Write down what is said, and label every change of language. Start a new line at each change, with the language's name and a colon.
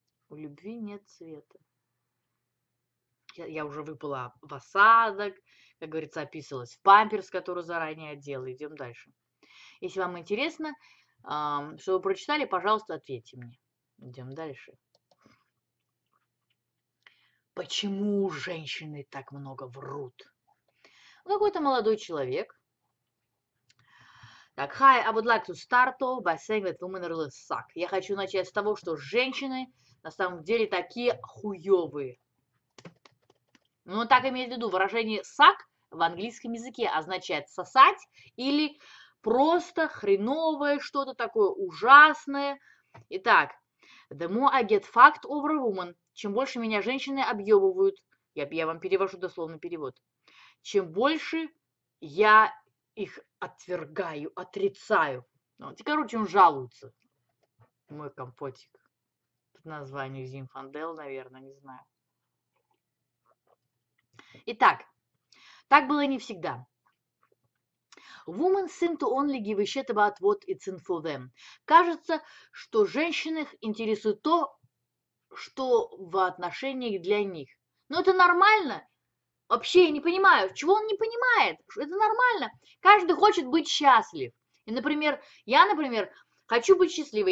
Russian: У любви нет цвета. Я уже выпала в осадок, как говорится, описывалась в памперс, который заранее одела. Идем дальше. Если вам интересно, что вы прочитали, пожалуйста, ответьте мне. Идем дальше. Почему женщины так много врут? Какой-то молодой человек. Так,
English: hi, I would like to start off by saying that women really suck.
Russian: Я хочу начать с того, что женщины на самом деле такие хуёвые. Ну, так имеет в виду, выражение suck в английском языке означает сосать или просто хреновое, что-то такое ужасное. Итак,
English: the more I get fucked over a woman,
Russian: чем больше меня женщины объёбывают, я вам перевожу дословный перевод, чем больше я их отвергаю, отрицаю. Вот. И, короче, он жалуется. Мой компотик. Под названием Зинфандел, наверное, не знаю. Итак, так было не всегда.
English: Women seem to only give a shit about what it's in for them.
Russian: Кажется, что женщин интересует то, что в отношениях для них. Но это нормально. Вообще, я не понимаю, чего он не понимает? Это нормально. Каждый хочет быть счастлив. И, например, я, например, хочу быть счастливой.